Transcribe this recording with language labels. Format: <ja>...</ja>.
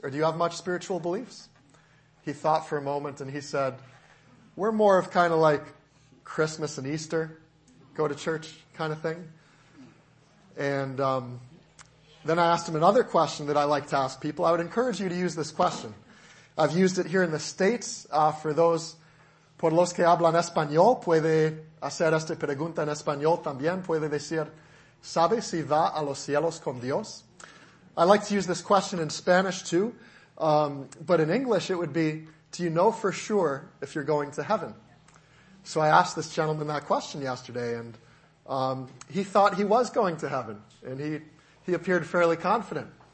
<en>Or do you have much spiritual beliefs? He thought for a moment and he said, we're more of kind of like Christmas and Easter, go to church kind of thing. And then I asked him another question that I like to ask people. I would encourage you to use this question. I've used it here in the States for those</en> <es>por los que hablan español, puede hacer esta pregunta en español también. Puede decir, ¿sabe si va a los cielos con Dios?</es> <en>I like to use this question in Spanish too, but in English it would be, do you know for sure if you're going to heaven? So I asked this gentleman that question yesterday, and he thought he was going to heaven, and he appeared fairly confident.</en>